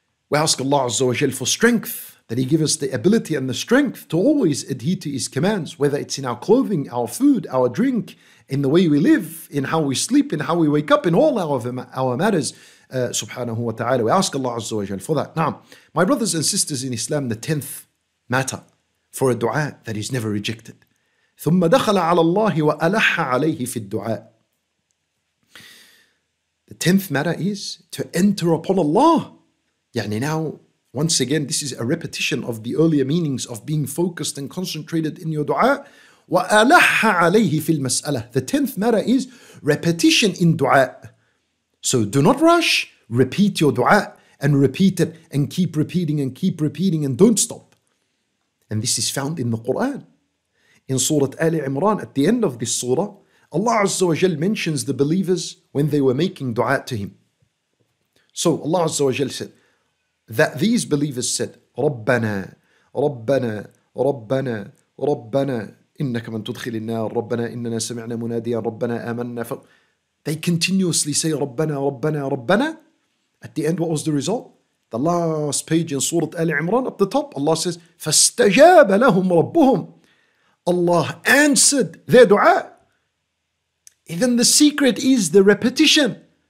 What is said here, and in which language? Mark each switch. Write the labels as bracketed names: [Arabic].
[English] We ask Allah Azza wa Jal for strength, that He give us the ability and the strength to always adhere to His commands, whether it's in our clothing, our food, our drink, in the way we live, in how we sleep, in how we wake up, in all our matters. Subhanahu wa ta'ala, we ask Allah Azza wa Jal for that. Now, my brothers and sisters in Islam, the 10th matter for a dua that is never rejected. [Arabic] ثم دخل على الله وألح عليه في الدعاء. [English] The 10th matter is to enter upon Allah. يعني now, once again, this is a repetition of the earlier meanings of being focused and concentrated in your dua. [Arabic] وألح عليه في المسألة. [English] The 10th matter is repetition in dua. So do not rush, repeat your dua and repeat it and keep repeating and keep repeating and don't stop. And this is found in the Quran. In Surah Ali Imran, at the end of this surah, Allah Azza wa Jal mentions the believers when they were making dua to Him. So Allah Azza wa Jal said that these believers said, [Arabic] رَبَّنَا رَبَّنَا رَبَّنَا رَبَّنَا إِنَّكَ مَنْ تُدْخِلِ النَّارِ رَبَّنَا إِنَّنَا سَمِعْنَا مُنَادِيًا رَبَّنَا آمَنَّا ف... [English] They continuously say, [Arabic] رَبَّنَا رَبَّنَا رَبَّنَا. [English] At the end, what was the result? The last page in Surah Ali Imran, up the top, Allah says, [Arabic] فَاسْتَجَابَ لَهُمْ رَبُّهُمْ. [English] Allah answered their dua. Even the secret is the repetition.